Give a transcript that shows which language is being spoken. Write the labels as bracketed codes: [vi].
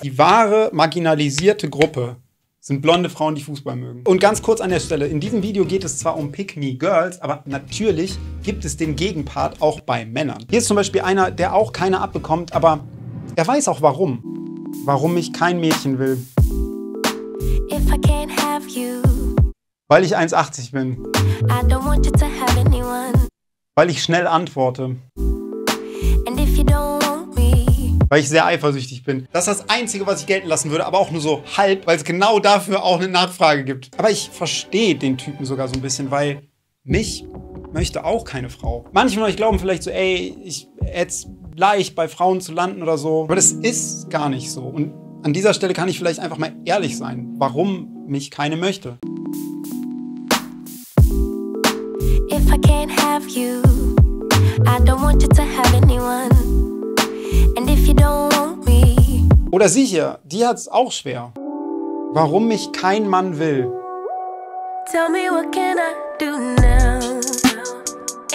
[de] Die wahre marginalisierte Gruppe sind blonde Frauen, die Fußball mögen. Und ganz kurz an der Stelle, in diesem Video geht es zwar um Pick-Me-Girls, aber natürlich gibt es den Gegenpart auch bei Männern. Hier ist zum Beispiel einer, der auch keine abbekommt, aber er weiß auch warum. Warum ich kein Mädchen will. [en] If I can't have you. [de] Weil ich 1,80 bin. [en] I don't want you to have anyone. [de] Weil ich schnell antworte. [en] And if you don't want me. [de] Weil ich sehr eifersüchtig bin. Das ist das Einzige, was ich gelten lassen würde, aber auch nur so halb, weil es genau dafür auch eine Nachfrage gibt. Aber ich verstehe den Typen sogar so ein bisschen, weil mich möchte auch keine Frau. Manche von euch glauben vielleicht so, ey, ich jetzt leicht bei Frauen zu landen oder so. Aber das ist gar nicht so. Und an dieser Stelle kann ich vielleicht einfach mal ehrlich sein, warum mich keine möchte. [en] If I can't have you, I don't want you to have anyone. And if you don't want me. [de] Oder sie hier, die hat's auch schwer. Warum mich kein Mann will. [en] Tell me, what can I do now?